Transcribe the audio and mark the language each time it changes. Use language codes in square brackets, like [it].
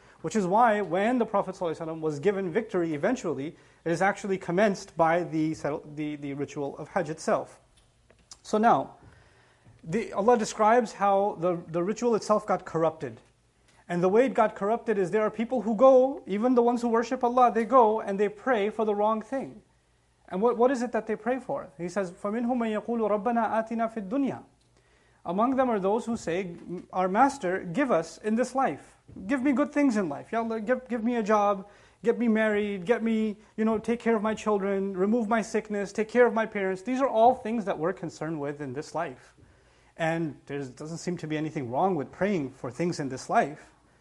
[en] Which is why when the Prophet ﷺ was given victory eventually, it is actually commenced by the ritual of Hajj itself. So now, Allah describes how the ritual itself got corrupted. And the way it got corrupted is there are people who go, even the ones who worship Allah, they go and they pray for the wrong thing. And what is it that they pray for? He says, [ar] فَمِنْهُمْ مَنْ يَقُولُ رَبَّنَا آتِنَا فِي الدُّنْيَا. [en] Among them are those who say, our Master, give us in this life. Give me good things in life. Ya Allah, give me a job, get me married, get me, you know, take care of my children, remove my sickness, take care of my parents. These are all things that we're concerned with in this life. And there doesn't seem to be anything wrong with praying for things in this life.